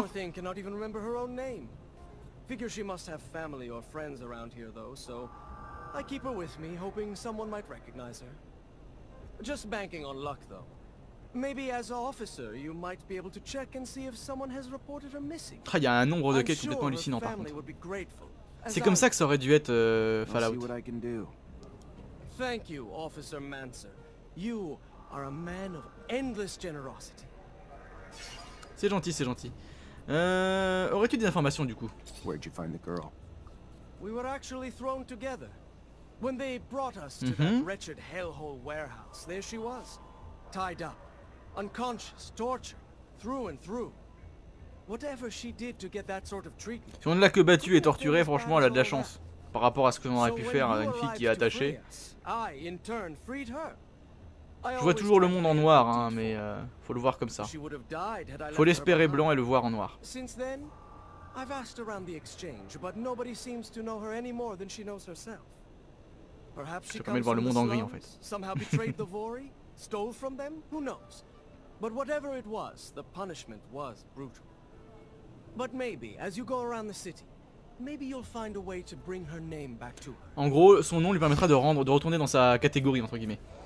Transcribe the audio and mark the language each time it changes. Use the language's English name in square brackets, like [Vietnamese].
[English] Poor thing cannot even remember her own name. Figure she must have family or friends around here though, so I keep her with me, hoping someone might recognize her. Just banking on luck though. Maybe as an officer, you might be able to check and see if someone has reported her missing. [French] Il y a un nombre de quêtes complètement hallucinant par contre. C'est comme ça que ça aurait dû être Fallout. [English] Thank you, Officer Manser. You are a man of endless generosity. [French] C'est gentil, c'est gentil. Aurais-tu des informations du coup? [English] Where'd you find the girl? We were actually thrown together. When they brought us to that wretched hellhole warehouse, there she was, tied up, unconscious, tortured, through and through. Whatever she did to get that sort of treatment. [French] Si on ne l'a que battue et torturée, franchement, elle a de la chance. Par rapport à ce que l'on aurait pu faire à une fille qui est attachée. [English] I, in turn, freed her. [French] Je vois toujours le monde en noir, hein, mais faut le voir comme ça. Faut l'espérer blanc et le voir en noir. [English] Since then, I've asked around the exchange, but nobody seems to know her any more than she knows herself. Perhaps she comes from the slums, [French] en fait. [English] Somehow betrayed the Vori, stole from them. Who knows? But whatever it was, the punishment was brutal. But maybe, as you go around the city, maybe you'll find a way to bring her name back to her. [French] En gros, son nom lui permettra de retourner dans sa catégorie entre guillemets.